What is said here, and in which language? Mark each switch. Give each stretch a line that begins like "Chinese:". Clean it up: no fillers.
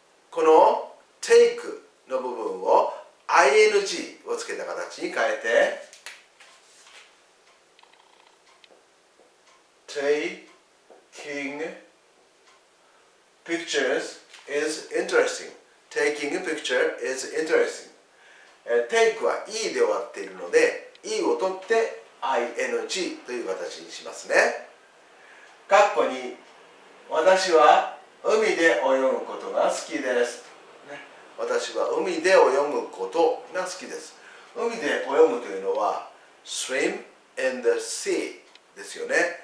Japanese: この take の部分を ing をつけた形に変えて、
English: Taking pictures is interesting. Taking a picture is interesting.
Japanese: Take は E で終わっているので、E を取って ING という形にしますね。括弧に、私は海で泳ぐことが好きです。私は海で泳ぐことが好きです。海で泳ぐというのは、
English: swim in the sea
Japanese: ですよね。